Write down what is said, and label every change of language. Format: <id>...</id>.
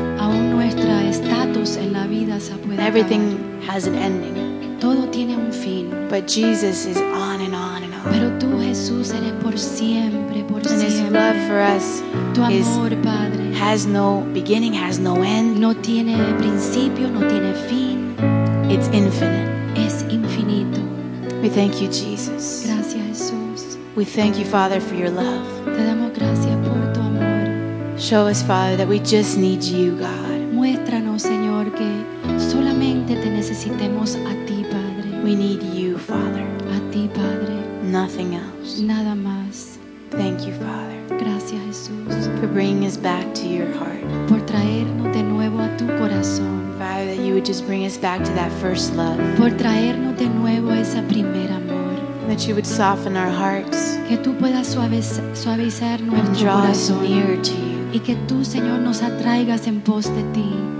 <es>Aún nuestro estatus en la vida se puede acabar.</es> <en>Everything has an ending.</en> <es>Todo tiene un fin.</es> <en>But Jesus is on and on and on.</en> <es>Pero tú, Jesús, eres por siempre, por</es> <en>and</en> <es>siempre.</es> <en>His love for us,</en> <es>tu amor, Padre,</es> <en>has no beginning, has no end.</en> <es>No tiene principio, no tiene fin.</es> <en>It's infinite.</en> <es>Es infinito.</es> <en>We thank you, Jesus.</en> <es>Gracias, Jesús.</es> <en>We thank you, Father, for your love.</en> <es>Te damos gracias por tu amor.</es> <en>Show us, Father, that we just need you, God.</en> <es>Muéstranos, Señor, que solamente te necesitemos a ti, Padre.</es> <en>We need you, Father.</en> <es>A ti, Padre.</es> <en>Nothing else.</en> <es>Nada más.</es> <en>Thank you, Father.</en> <es>Gracias, Jesús.</es> <en>For bringing us back to your heart.</en> <es>Por traernos de nuevo a tu corazón.</es> <en>Father, that you would just bring us back to that first love.</en> <es>Por traernos de nuevo a ese primer amor.</es> <en>That you would soften our hearts.</en> <es>Que tú puedas suavizar nuestro</es> <en>and draw</en> <es>corazón.</es> <en>Us near to you.</en> <es>Y que tú, Señor, nos atraigas en pos de ti.</es>